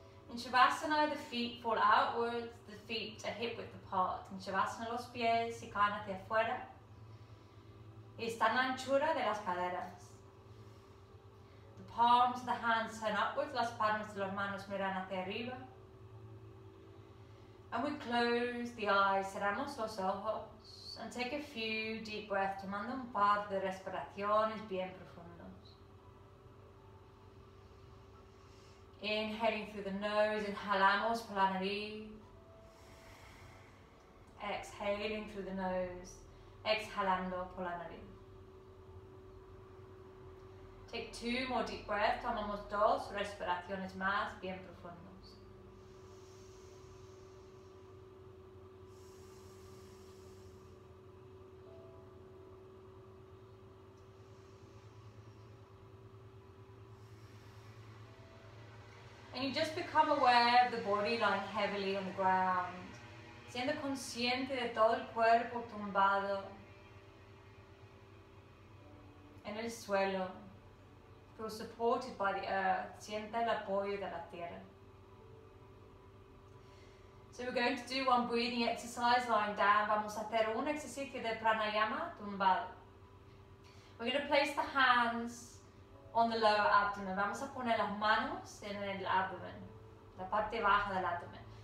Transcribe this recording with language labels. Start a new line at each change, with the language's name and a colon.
English: In Shavasana, the feet fall outwards, the feet are hip width apart.
Spanish: In Shavasana, los pies se caen hacia afuera. Y están la anchura de las caderas.
English: The palms of the hands turn upwards,
Spanish: las palmas de las manos miran hacia arriba.
English: And we close the eyes,
Spanish: cerramos los ojos,
English: and take a few deep breaths,
Spanish: tomando un par de respiraciones bien profundas.
English: Inhaling through the nose,
Spanish: inhalamos por la nariz.
English: Exhaling through the nose,
Spanish: exhalando por la nariz.
English: Take two more deep breaths,
Spanish: tomamos dos respiraciones más, bien profundos.
English: And you just become aware of the body lying heavily on the ground.
Spanish: Siendo consciente de todo el cuerpo tumbado en el suelo.
English: Feel supported by the earth.
Spanish: Siente el apoyo de la tierra.
English: So we're going to do one breathing exercise lying down.
Spanish: Vamos a hacer un ejercicio de pranayama tumbado.
English: We're going to place the hands on the lower abdomen.
Spanish: Vamos a poner las manos en el abdomen, la parte baja del abdomen.